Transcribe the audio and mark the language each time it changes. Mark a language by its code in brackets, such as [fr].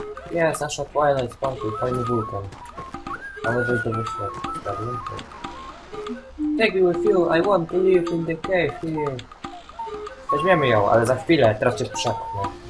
[pl] Jest nasza Twilight Sparkle, fajny wulkan. Ale weź do wyświetla. [en] Take me with you, I want to live in the cave here. [pl] Weźmiemy ją, ale za chwilę, teraz cię przepchnę.